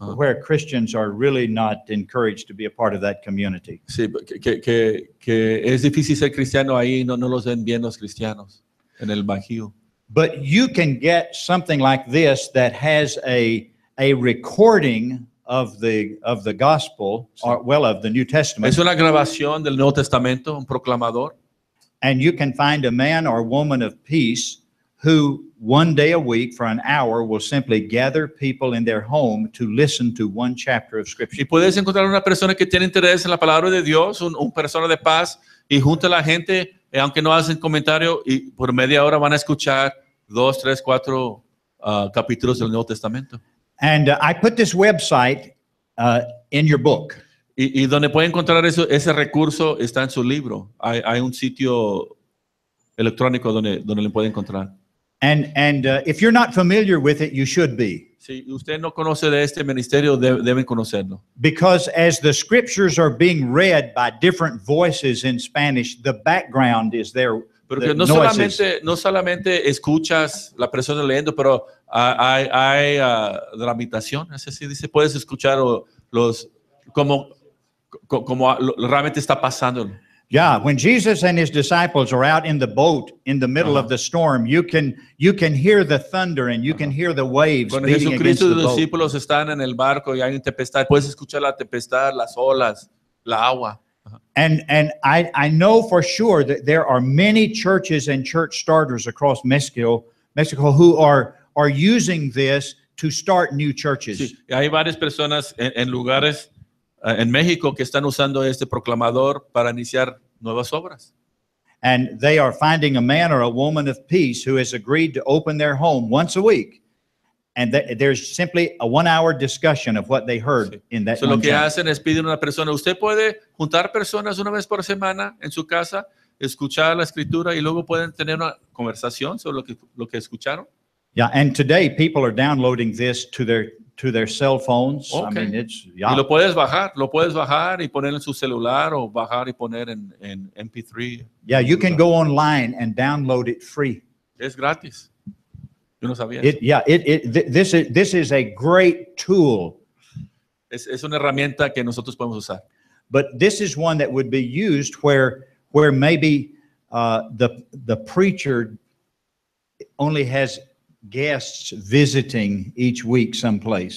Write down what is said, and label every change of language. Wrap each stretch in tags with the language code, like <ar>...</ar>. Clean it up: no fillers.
<en>where Christians are really not encouraged to be a part of that community.</en> <es>Sí, que es difícil ser cristiano ahí, no los ven bien los cristianos en el Bajío.</es> <en>But you can get something like this that has a recording of the gospel, sí, or well of the New Testament.</en> <es>Es una grabación del Nuevo Testamento, un proclamador.</es> <en>And you can find a man or woman of peace who one day a week for an hour will simply gather people in their home to listen to one chapter of Scripture.</en> <es>Y puedes encontrar una persona que tiene interés en la palabra de Dios, un persona de paz, y junta a la gente, y aunque no hacen comentario, y por media hora van a escuchar dos, tres, cuatro capítulos del Nuevo Testamento.</es> <en>And I put this website in your book.</en> <es>Y donde puede encontrar eso, ese recurso está en su libro. Hay un sitio electrónico donde lo puede encontrar.</es> <en>And if you're not familiar with it, you should be.</en> <es>Si usted no conoce de este ministerio, deben conocerlo.</es> <en>Because as the scriptures are being read by different voices in Spanish, the background is there.</en> <es>Porque</es> <en>the</en> <es>no solamente escuchas la persona leyendo, pero hay dramatización. Es así, dice, puedes escuchar los como realmente está pasando.</es> <en>Yeah, when Jesus and his disciples are out in the boat in the middle of the storm, you can hear the thunder and you can hear the waves beating against the boat.</en> <es>Cuando Jesucristo y los discípulos están en el barco y hay una tempestad, puedes escuchar la tempestad, las olas, la agua.</es> <en>And I know for sure that there are many churches and church starters across Mexico who are using this to start new churches.</en> <es>Sí, hay varias personas en lugares en México que están usando este proclamador para iniciar nuevas obras.</es> <en>And they are finding a man or a woman of peace who has agreed to open their home once a week. And there's simply a one-hour discussion of what they heard in that.</en> <es>So lo que hacen es pedir a una persona, usted puede juntar personas una vez por semana en su casa, escuchar la escritura y luego pueden tener una conversación sobre lo que escucharon.</es> <en>Yeah, and today people are downloading this to their cell phones. Okay. I mean, it's, yeah.</en> <es>Y lo puedes bajar y poner en su celular o bajar y poner en MP3.</es> <en>Yeah, you can go online and download it free.</en> <es>Es gratis. Yo no sabía.</es> <en>This is a great tool.</en> <es>Es una herramienta que nosotros podemos usar.</es> <en>But this is one that would be used where maybe the preacher only has guests visiting each week someplace.</en>